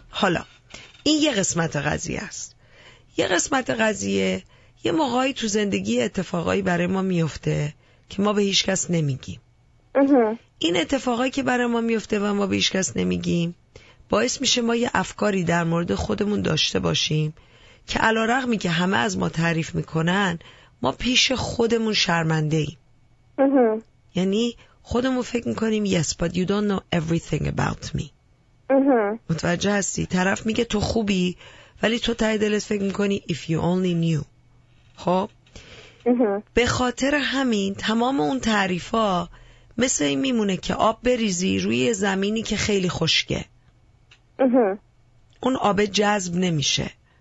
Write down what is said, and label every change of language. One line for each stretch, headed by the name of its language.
Persian: حالا این یه قسمت قضیه است. یه قسمت قضیه یه موقعی تو زندگی اتفاقایی برای ما میفته که ما به هیچ کس نمیگیم. این اتفاقایی که برای ما میفته و ما به هیچ کس نمیگیم باعث میشه ما یه افکاری در مورد خودمون داشته باشیم که علارغمی که همه از ما تعریف میکنن ما پیش خودمون شرمنده ایم. یعنی خودمون فکر میکنیم
English: yes but you don't know everything about me.
Persian: متوجه هستی؟ طرف میگه تو خوبی ولی تو ته دلت فکر میکنی
English: if you only knew.
Persian: خب به خاطر همین تمام اون تعریفا مثل این میمونه که آب بریزی روی زمینی که خیلی خشکه، اون آب جذب نمیشه.